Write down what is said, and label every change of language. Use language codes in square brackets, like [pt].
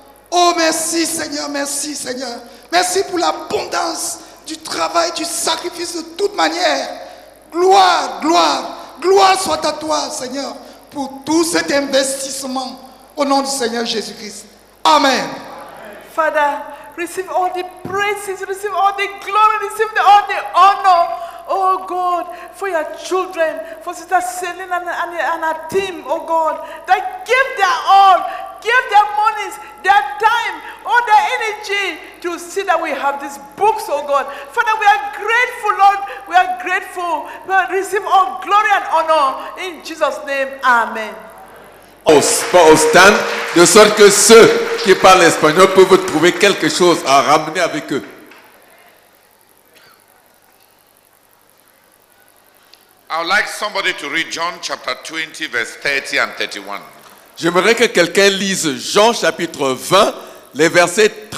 [fr] Ô merci, Seigneur. Merci pour l'abondance du travail, du sacrifice de toute manière. Gloire soit à toi, Seigneur, pour tout cet investissement au nom du Seigneur Jésus-Christ. Amen. [en] Father, receive all the praises, receive all the glory, receive all the honor, oh God, for your children, for Sister Celine and her team, oh God, that give their all, give their monies, their time, all their energy to see that we have these books, oh God. Father, we are grateful, Lord. We are grateful. We are receive all glory and honor in Jesus' name. Amen. [fr] Au stand, de sorte que ceux qui parlent espagnol peuvent trouver quelque chose à ramener avec eux. [en] I would like somebody to read John chapter 20, verse 30 and 31. [fr] J'aimerais que quelqu'un lise Jean chapitre 20, les versets 30.